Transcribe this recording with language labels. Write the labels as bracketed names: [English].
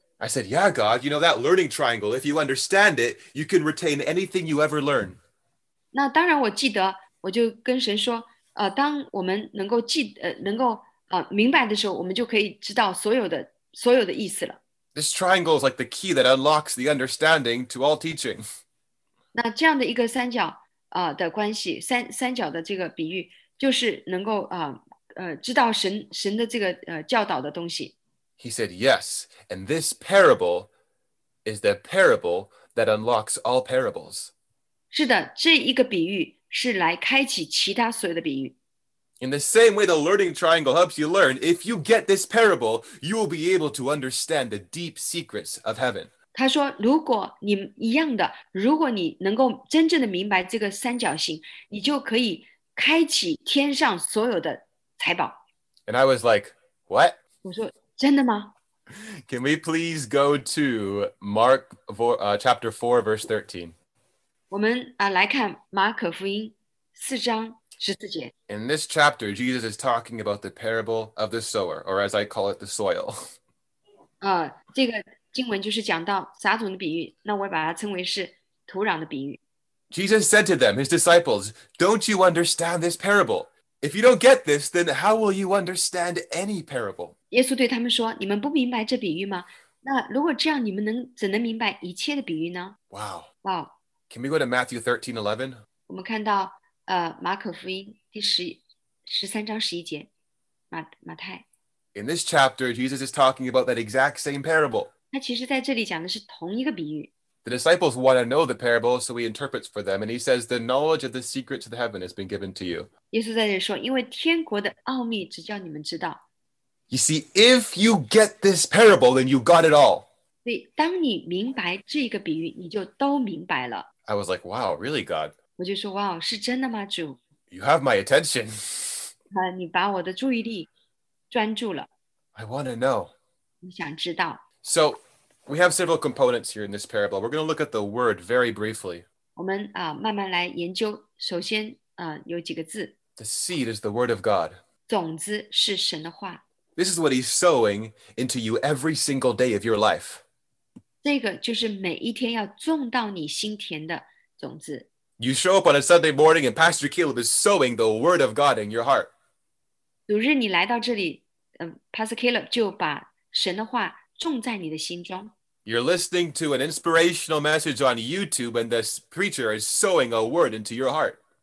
[English] I said, yeah, God, you know that learning triangle, if you understand it, you can retain anything you ever learn. [Chinese] 那当然我记得，我就跟神说，当我们能够记，能够明白的时候，我们就可以知道所有的意思了。 [English] This triangle is like the key that unlocks the understanding to all teaching. [Chinese] 那这样的一个三角的关系，三角的这个比喻，就是能够知道神的这个教导的东西。 [English] He said, yes, and this parable is the parable that unlocks all parables. [Chinese] 是的，这一个比喻是来开启其他所有的比喻。 [English] In the same way the learning triangle helps you learn, if you get this parable, you will be able to understand the deep secrets of heaven. [Chinese] 他说，如果你一样的，如果你能够真正的明白这个三角形，你就可以开启天上所有的财宝。 [English] And I was like, what? [Chinese] 我说真的吗？ [English] Can we please go to Mark chapter 4, verse 13? [Chinese] 我们来看马可福音四章十四节。 [English] In this chapter, Jesus is talking about the parable of the sower, or as I call it, the soil. [Chinese] 这个经文就是讲到撒种的比喻，那我把它称为是土壤的比喻。 [English] Jesus said to them, his disciples, "Don't you understand this parable? If you don't get this, then how will you understand any parable?" [Chinese] 耶稣对他们说，你们不明白这比喻吗？那如果这样，你们怎能明白一切的比喻呢？ [English] Wow. Wow. Can we go to Matthew 13:11? [Chinese] 我们看到马可福音第13:11，马太。 [English] In this chapter, Jesus is talking about that exact same parable. [Chinese] 他其实在这里讲的是同一个比喻。 [English] The disciples want to know the parable, so he interprets for them, and he says, "The knowledge of the secrets of the heaven has been given to you." [Chinese] 耶稣在这里说，因为天国的奥秘只叫你们知道。 [English] You see, if you get this parable, then you got it all. [Chinese] 对，当你明白这个比喻，你就都明白了。 [English] I was like, "Wow, really, God?" [Chinese] 我就说，哇，是真的吗，主？ [English] You have my attention. [Chinese] 你把我的注意力专注了。 [English] I want to know. [Chinese] 你想知道。 [English] So. We have several components here in this parable. We're going to look at the word very briefly. [Chinese] 我们慢慢来研究。首先有几个字。 [English] The seed is the word of God. [Chinese] 种子是神的话。 [English] This is what he's sowing into you every single day of your life. [Chinese] 这个就是每一天要种到你心田的种子。 [English] You show up on a Sunday morning and Pastor Caleb is sowing the word of God in your heart. [Chinese] 主日你来到这里Pastor Caleb 就把神的话种在你的心中。 [English] You're listening to an inspirational message on YouTube and the preacher is sowing a word into your heart.